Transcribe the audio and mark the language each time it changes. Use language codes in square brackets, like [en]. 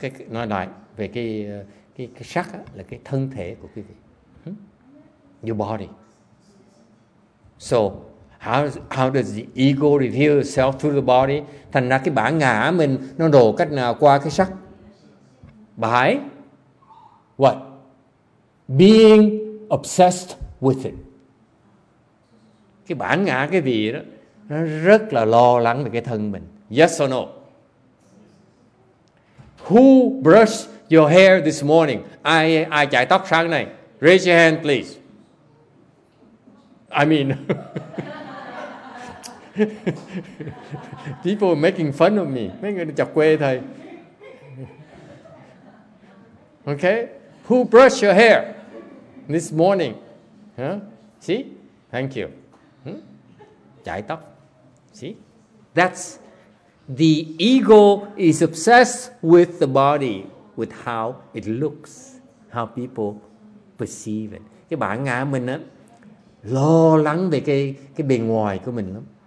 [vi] Nói lại về cái sắc á, là cái thân thể của quý vị. [en] Your body. So how does the ego reveal itself through the body? [vi] Thành ra cái bản ngã mình nó đổ cách nào qua cái sắc? [en] By what? Being obsessed with it. [vi] Cái bản ngã cái vị đó nó rất là lo lắng về cái thân mình. [en] Yes or no? Who brushed your hair this morning? [vi] Ai chải tóc sáng nay? [en] Raise your hand, please. I mean, people are making fun of me. [vi] Mấy người chọc quê thầy. [en] Okay? Who brushed your hair this morning? Huh? See? Thank you. [vi] Chải tóc. [en] See? That's the ego is obsessed with the body, with how it looks, how people perceive it. [vi] Cái bản ngã mình á lo lắng về cái bề ngoài của mình lắm.